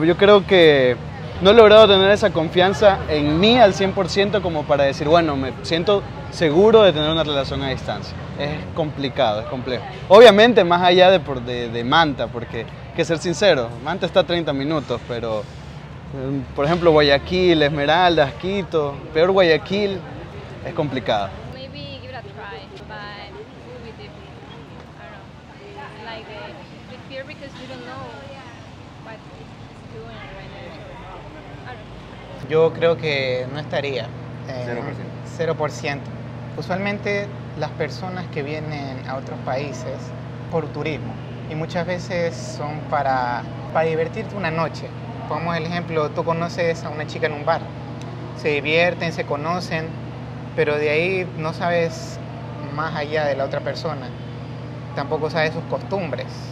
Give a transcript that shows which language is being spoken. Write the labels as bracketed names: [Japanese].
[Spanish] Yo creo que no he logrado tener esa confianza en mí al 100% como para decir, bueno, me siento seguro de tener una relación a distancia. Es complicado, es complejo. Obviamente, más allá de Manta, porque hay que ser sincero, Manta está a 30 minutos, pero, por ejemplo, Guayaquil, Esmeraldas, Quito, peor Guayaquil, es complicado. [English] Maybe give it a try, but it will be different. I don't know. Like, the fear because you don't know what it's doing right now. I don't know. [Spanish] Yo creo que no estaría. 0%. 0%. Usualmente las personas que vienen a otros países por turismo y muchas veces son para divertirte una noche. Pongamos el ejemplo, tú conoces a una chica en un bar, se divierten, se conocen, pero de ahí no sabes más allá de la otra persona, tampoco sabes sus costumbres.